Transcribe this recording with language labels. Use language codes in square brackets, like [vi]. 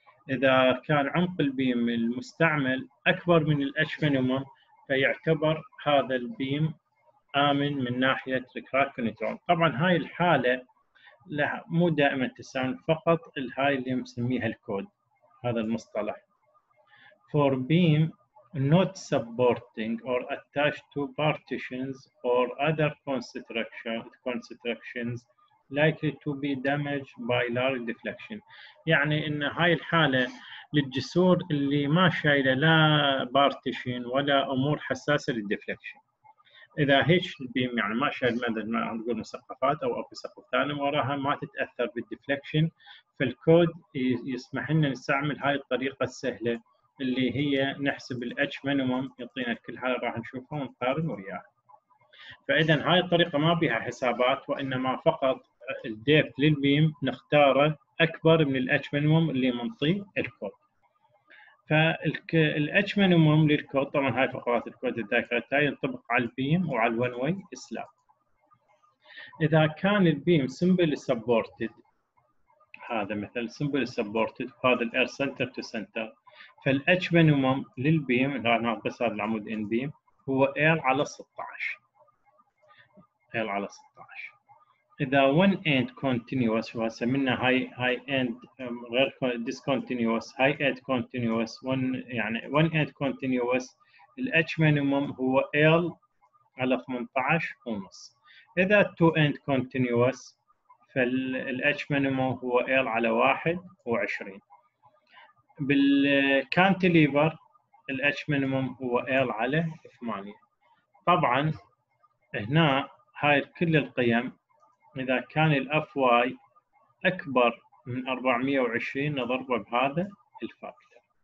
[ar] اذا كان عمق البيم المستعمل اكبر من الاتش مينيمم فيعتبر هذا البيم امن من ناحيه الكراك كنترول. طبعا هاي الحاله لا مو دائما التساؤل، فقط الهاي اللي مسميها الكود، هذا المصطلح. [en] For beam not supporting or attached to partitions or other constructions likely to be damaged by large deflection. [ar] يعني ان هاي الحالة للجسور اللي ما شايلة لا partition ولا امور حساسة للدفلكشن. إذا هيش البيم يعني ما شايل مثلا ما نقول مسقفات أو أكو سقف ثاني وراها ما تتأثر بالديفليكشن، فالكود يسمح لنا نستعمل هاي الطريقة السهلة اللي هي نحسب الـ H minimum يعطينا كل حالة راح نشوفها ونقارن وياها. فإذا هاي الطريقة ما بها حسابات وإنما فقط الديبث للبيم نختاره أكبر من الـ H minimum اللي منطيه الكود. فالـ H minimum للكود طبعا هاي فقرات الكود الذاكرتها ينطبق على البيم وعلى الون واي سلاب. اذا كان البيم سمبل سبورتد، هذا مثلا سمبل سبورتد وهذا الاير سنتر تو سنتر، فالـ H minimum للبيم اللي راح ناقص هذا العمود ان بيم هو اير على 16، اير على 16. إذا [en] one end continuous [ar] وسمينا هاي end غير discontinuous، هاي end continuous one end continuous، ال H minimum هو L على 18.5. إذا [en] two end continuous [ar] فال H minimum هو L على 21. بال cantilever ال H minimum هو L على 8. طبعا هنا هاي كل القيم إذا كان الـ FY أكبر من 420 نضربه بهذا الفاكتور.